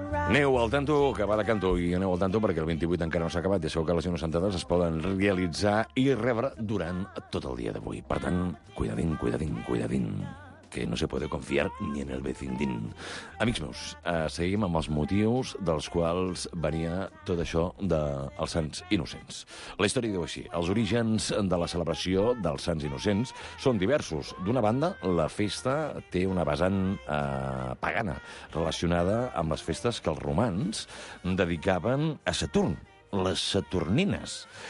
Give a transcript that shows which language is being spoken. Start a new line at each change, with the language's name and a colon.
Catalan: Aneu al tanto, que va de canto, i aneu al tanto perquè el 28 encara no s'ha acabat. Ja sabeu que les innocentades es poden realitzar i rebre durant tot el dia d'avui.
Spanish: Per tant, cuidadín, cuidadín, cuidadín, que no se puede confiar ni en el vecindín.
Catalan: Amics meus, seguim amb els motius dels quals venia tot això dels Sants Innocents. La història diu així. Els orígens de la celebració dels Sants Innocents són diversos. D'una banda, la festa té una vessant pagana relacionada amb les festes que els romans dedicaven a Saturn, les Saturnines.